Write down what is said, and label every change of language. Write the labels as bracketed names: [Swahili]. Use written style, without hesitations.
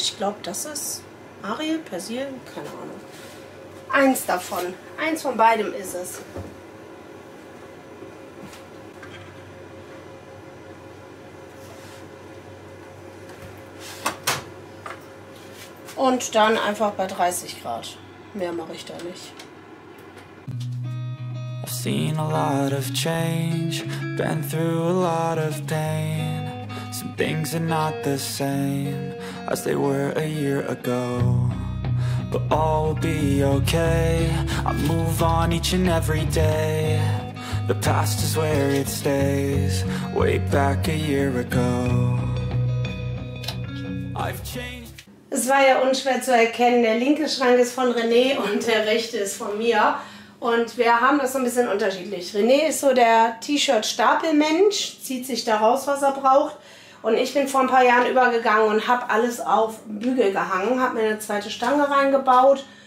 [German] Ich glaube, das ist Ariel, Persil, keine Ahnung. Eins davon. Eins von beidem ist es. Und dann einfach bei 30 Grad. Mehr mache ich da nicht. [English] I've seen a lot of change, been through a lot of pain. Some things are not the same as they were a year ago. But all will be okay, I move on each and every day. The past is where it stays, way back a year ago. I've changed. [German] Es war ja unschwer zu erkennen, der linke Schrank ist von René und der rechte ist von mir. Und wir haben das so ein bisschen unterschiedlich. René ist so der T-Shirt-Stapelmensch, zieht sich da raus, was er braucht. Und ich bin vor ein paar Jahren übergegangen und habe alles auf Bügel gehangen, habe mir eine zweite Stange reingebaut.